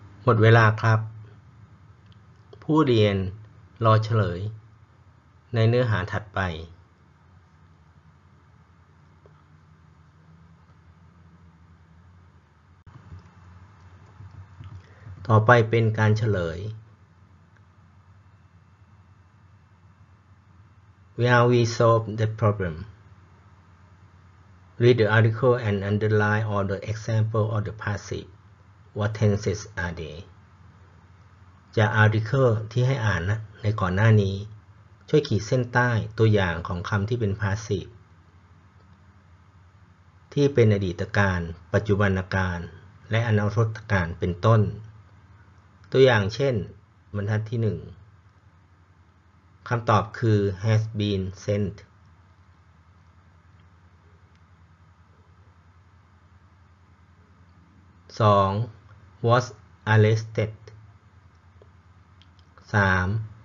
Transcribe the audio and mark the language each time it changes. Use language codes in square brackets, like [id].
[th] หมดเวลาครับผู้เรียนรอเฉลยในเนื้อหาถัดไปต่อไปเป็นการเฉลย [en] Will we solve the problem? Read the article and underline all the examples of the passive. What tenses are they? [th] จากอาร์ติเคิลที่ให้อ่านนะในก่อนหน้านี้ช่วยขีดเส้นใต้ตัวอย่างของคำที่เป็น passive ที่เป็นอดีตการปัจจุบันการและอนาคตการเป็นต้นตัวอย่างเช่นบรรทัดที่1คำตอบคือ [en] has been sent [th] สอง [en] was arrested [th] 3.